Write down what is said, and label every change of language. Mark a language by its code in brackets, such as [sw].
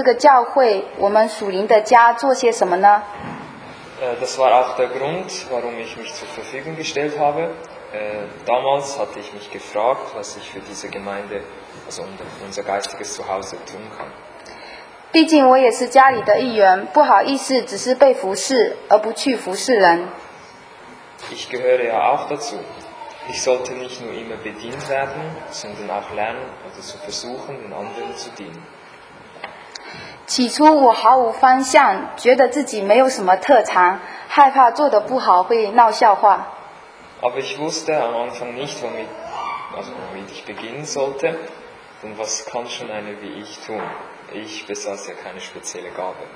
[zh] 当初我也是因为看到服事同工上的缺乏，才问我自己，我可以为这个教会，我们属灵的家做些什么呢？ [de] Das war auch der Grund, warum ich mich zur Verfügung gestellt habe. Damals hatte ich mich gefragt, was ich für diese Gemeinde, also unser geistiges Zuhause, tun kann. [zh] 毕竟我也是家里的一员，不好意思，只是被服侍而不去服侍人。 [de] Ich gehöre ja auch dazu. Ich sollte nicht nur immer bedient werden, sondern auch lernen oder zu versuchen, den anderen zu dienen. [zh] 起初我毫无方向，觉得自己没有什么特长，害怕做得不好会闹笑话。 [de] Aber ich wusste am Anfang nicht, womit ich beginnen sollte, denn was kann schon eine wie ich tun? Ich besaß ja keine spezielle Gabe.